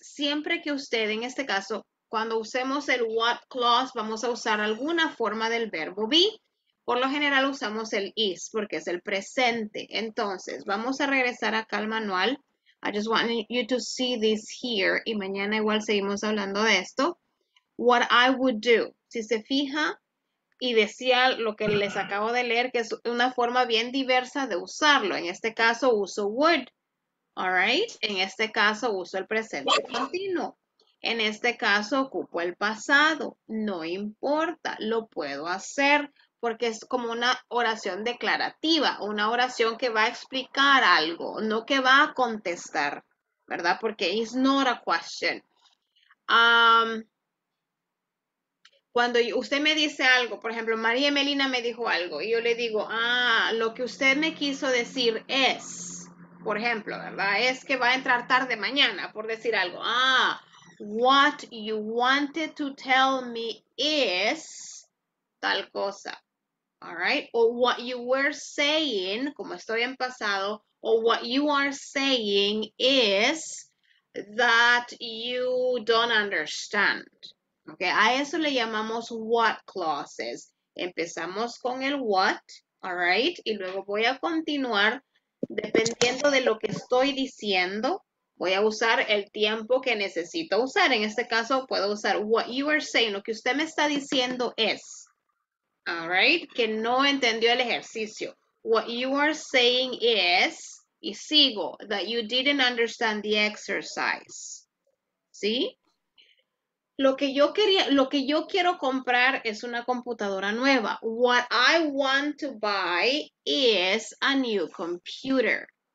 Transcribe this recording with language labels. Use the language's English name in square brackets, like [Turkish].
[Spanish] Siempre que usted, en este caso, cuando usemos el what clause, vamos a usar alguna forma del verbo be. Por lo general usamos el is porque es el presente. Entonces, vamos a regresar acá al manual. [English] I just want you to see this here. [Spanish] Y mañana igual seguimos hablando de esto. [English] What I would do. [Spanish] Si se fija y decía lo que les acabo de leer, que es una forma bien diversa de usarlo. En este caso uso would. [English] All right. [Spanish] En este caso uso el presente continuo. En este caso ocupo el pasado. No importa. Lo puedo hacer. Porque es como una oración declarativa, una oración que va a explicar algo, no que va a contestar, ¿verdad? [English] Porque it's not a question. [Spanish] Cuando usted me dice algo, por ejemplo, María Melina me dijo algo, y yo le digo, ah, lo que usted me quiso decir es, por ejemplo, ¿verdad? Es que va a entrar tarde mañana, por decir algo. [English] Ah, what you wanted to tell me is [Spanish] tal cosa. [English] All right, or what you were saying, [Spanish] como estoy en pasado, [English] or what you are saying is that you don't understand. [Spanish] Okay, a eso le llamamos what clauses. Empezamos con el what, [English] all right, [Spanish] y luego voy a continuar dependiendo de lo que estoy diciendo. Voy a usar el tiempo que necesito usar. En este caso, puedo usar [English] what you are saying, [Spanish] lo que usted me está diciendo es. [English] All right, [Spanish] que no entendió el ejercicio. [English] What you are saying is, [Spanish] y sigo, [English] that you didn't understand the exercise. [Spanish] ¿Sí? Lo que yo quería, lo que yo quiero comprar es una computadora nueva. [English] What I want to buy is a new computer.